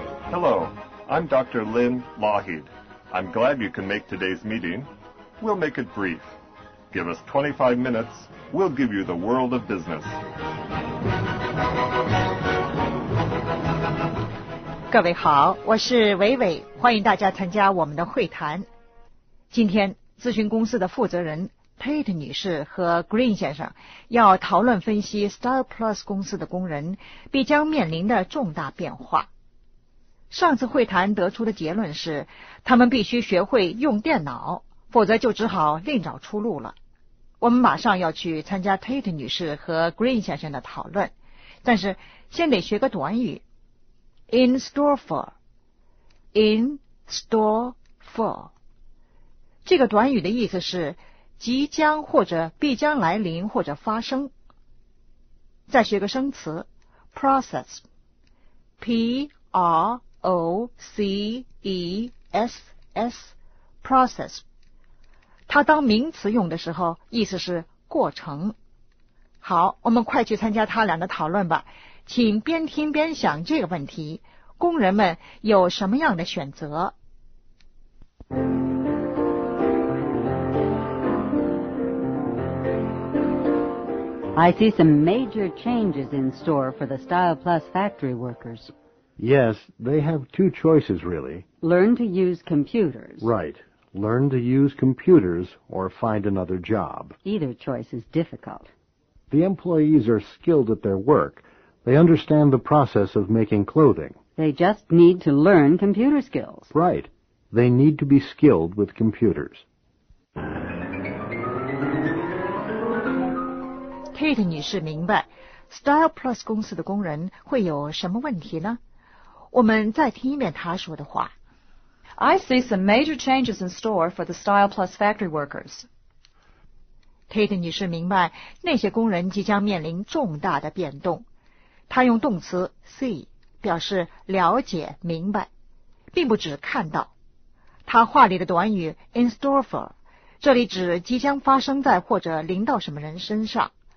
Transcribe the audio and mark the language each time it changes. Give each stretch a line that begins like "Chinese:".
English: Hello, I'm Dr. Lynn Lougheed. I'm glad you can make today's meeting. We'll make it brief. Give us 25 minutes. We'll give you the world of business.
Chinese: 各位好，我是伟伟，欢迎大家参加我们的会谈。今天咨询公司的负责人 Tate 女士和 Green 先生要讨论分析 Star Plus 公司的工人必将面临的重大变化。上次会谈得出的结论是，他们必须学会用电脑，否则就只好另找出路了。我们马上要去参加 Tate 女士和 Green 先生的讨论，但是先得学个短语。
English: In store for, in store for.
Chinese: 这个短语的意思是即将或者必将来临或者发生。再学个生词 ,process, P-R-O-C-E-S-S, process. 它当名词用的时候意思是过程。好，我们快去参加他俩的讨论吧，请边听边想这个问题。工人们有什么样的选择？
English: I see some major changes in store for the Style Plus factory workers. Yes, they have two choices, really. Learn to use computers. Right. Learn to use computers or find another job. Either choice is difficult. The employees are skilled at their work. They understand the process of making clothing. They just need to learn computer skills. Right. They need to be skilled with computers.
Chinese: Tate 女士明白 Style Plus 公司的工人会有什么问题呢？我们再听一遍她说的话。 I see some major changes in store for the Style Plus factory workers. Tate 女士明白那些工人即将面临重大的变动。她用动词 see. 表示了解明白，并不只看到。他话里的短语 in store for， 这里指即将发生在或者临到什么人身上。